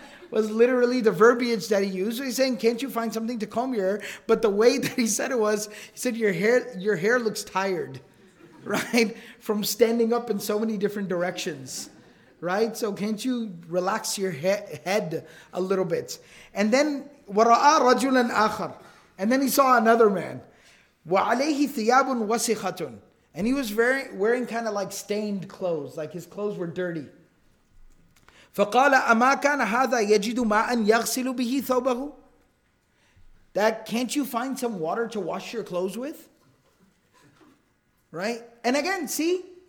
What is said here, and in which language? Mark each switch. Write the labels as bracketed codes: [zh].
[en] Was literally the verbiage that he used. He's saying, can't you find something to comb your hair? But the way that he said it was, he said, your hair looks tired. Right? From standing up in so many different directions. Right? So can't you relax your head a little bit? And then, [ar] وَرَآ رَجُلًا آخر. [en] And then he saw another man. [ar] وَعَلَيْهِ ثِيَابٌ وَسِخَةٌ. [en] And he was wearing kind of like stained clothes. Like his clothes were dirty. [ar] فَقَالَ أَمَا كَانَ هَذَا يَجِدُ مَاءً يَغْسِلُ بِهِ ثَوْبَهُ. [en] That, can't you find some water to wash your clothes with? Right? And again, see?